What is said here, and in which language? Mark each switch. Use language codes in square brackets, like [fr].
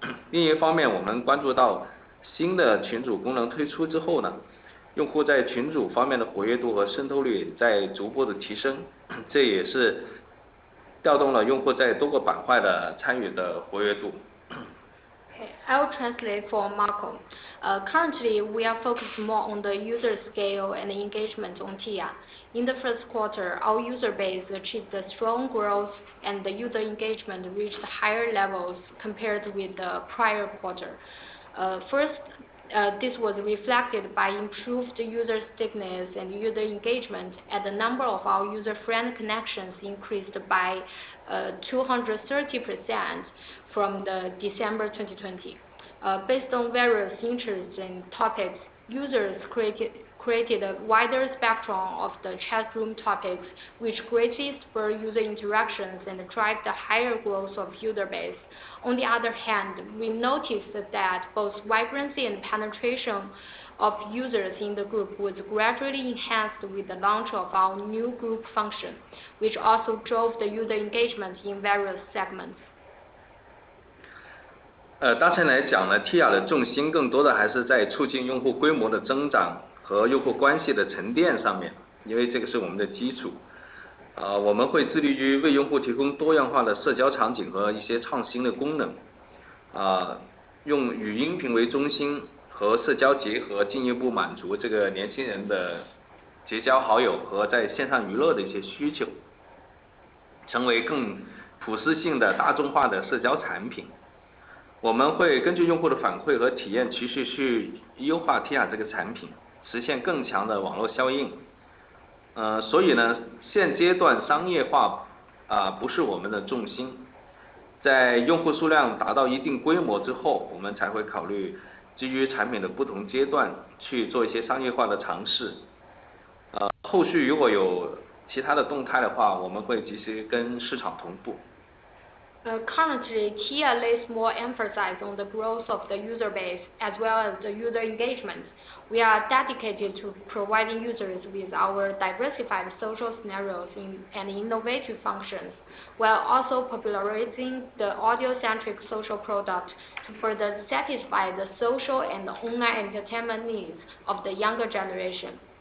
[zh] 另一方面，我们关注到新的群组功能推出之后呢，用户在群组方面的活跃度和渗透率在逐步的提升，这也是调动了用户在多个板块的参与的活跃度。 [en] Okay, I'll translate for Marco. Currently, we are focused more on the user scale and engagement on TIA. In the first quarter, our user base achieved a strong growth and the user engagement reached higher levels compared with the prior quarter. First, this was reflected by improved user stickiness and user engagement, and the number of our user-friend connections increased by 230% from the December 2020. Based on various interests and topics, users created a wider spectrum of the chat room topics, which greatly spur user interactions and drive the higher growth of user base. On the other hand, we noticed that both vibrancy and penetration of users in the group was gradually enhanced with the launch of our new group function, which also drove the user engagement in various segments. [zh] 当前来讲呢 ,TIA 的重心更多的还是在促进用户规模的增长和用户关系的沉淀上面，因为这个是我们的基础。我们会致力于为用户提供多样化的社交场景和一些创新的功能。用语音频为中心和社交结合，进一步满足这个年轻人的结交好友和在线上娱乐的一些需求，成为更普适性的大众化的社交产品。我们会根据用户的反馈和体验趋势去优化 TIA 这个产品，实现更强的网络效应。所以呢，现阶段商业化不是我们的重心，在用户数量达到一定规模之后，我们才会考虑基于产品的不同阶段去做一些商业化的尝试。后续如果有其他的动态的话，我们会及时跟市场同步。 [en] Currently, TIA lays more emphasis on the growth of the user base as well as the user engagement. We are dedicated to providing users with our diversified social scenarios and innovative functions, while also popularizing the audio-centric social product to further satisfy the social and online entertainment needs of the younger generation.